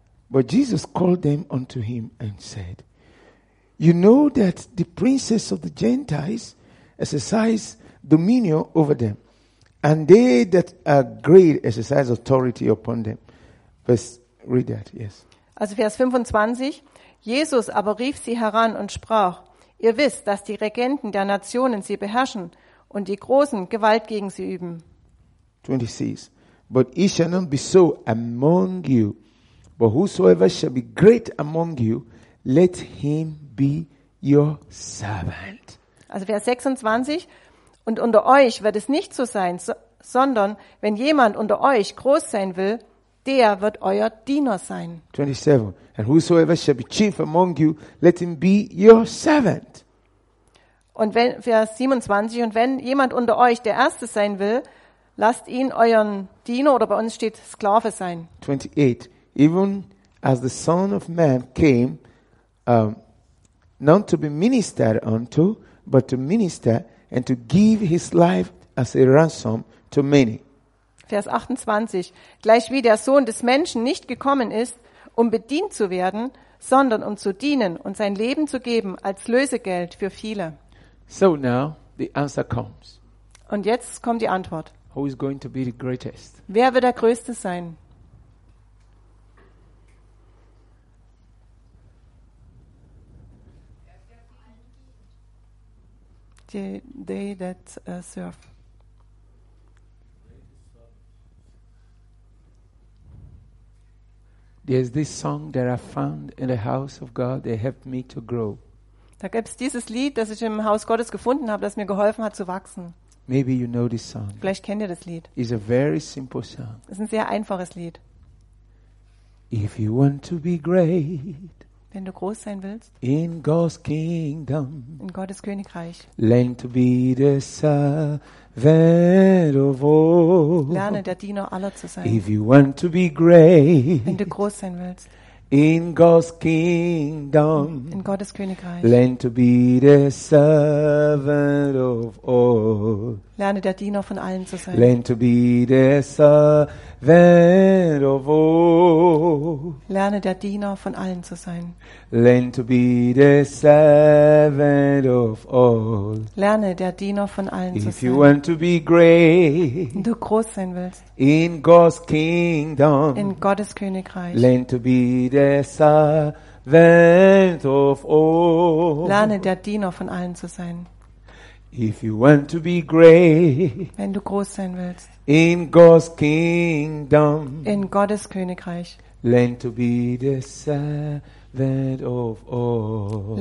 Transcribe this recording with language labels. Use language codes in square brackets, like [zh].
[en] But Jesus called them unto him and said, you know that the princes of the Gentiles exercise dominion over them, and they that are great exercise authority upon them. Read that, yes. [de] Also Vers 25. Jesus aber rief sie heran und sprach, ihr wisst, dass die Regenten der Nationen sie beherrschen und die Großen Gewalt gegen sie üben. [en] 26. But it shall not be so among you, but whosoever shall be great among you, let him be your servant. [de] Also Vers 26. Und unter euch wird es nicht so sein, sondern wenn jemand unter euch groß sein will, der wird euer Diener sein. [en] 27. And whosoever shall be chief among you, let him be your servant. [de] Und wenn, Vers 27. Und wenn jemand unter euch der Erste sein will, lasst ihn euren Diener, oder bei uns steht Sklave, sein. [en] 28. Even as the Son of Man came not to be ministered unto, but to minister and to give his life as a ransom to many. [de] Vers 28. Gleichwie der Sohn des Menschen nicht gekommen ist, um bedient zu werden, sondern um zu dienen und sein Leben zu geben als Lösegeld für viele. [en] So now the answer comes. [de] Und jetzt kommt die Antwort. [en] Who is going to be the greatest? [de] Wer wird der Größte sein? [en] They that serve. There's this song that I found in the house of God that helped me to grow. [de] Da gibt's dieses Lied, das ich im Haus Gottes gefunden habe, das mir geholfen hat zu wachsen. [en] Maybe you know this song. [de] Vielleicht kennt ihr das Lied. [en] It's a very simple song. [de] Es ist ein sehr einfaches Lied. [en] If you want to be great. [de] Wenn du groß sein willst. [en] In God's kingdom. [de] In Gottes Königreich. [en] Learn to be the servant of all. [de] Lerne der Diener aller zu sein. [en] If you want to be great. [de] Wenn du groß sein willst. [en] In God's kingdom. [de] In Gottes Königreich. [en] Learn to be the servant of all. [de] Lerne der Diener von allen zu sein. [en] Learn to be the servant of all. [de] Lerne der Diener von allen zu sein. [en] Learn to be the servant of all. [de] Lerne der Diener von allen zu sein. [en] If you want to be great. [de] Du groß sein willst. [en] In God's kingdom. [de] In Gottes Königreich. [en] Learn to be the servant of all. [de] Lerne der Diener von allen zu sein. [en] If you want to be great. [de] Wenn du groß sein willst. [en] In God's kingdom. [de] In Gottes Königreich. [en] Learn to be the servant of all.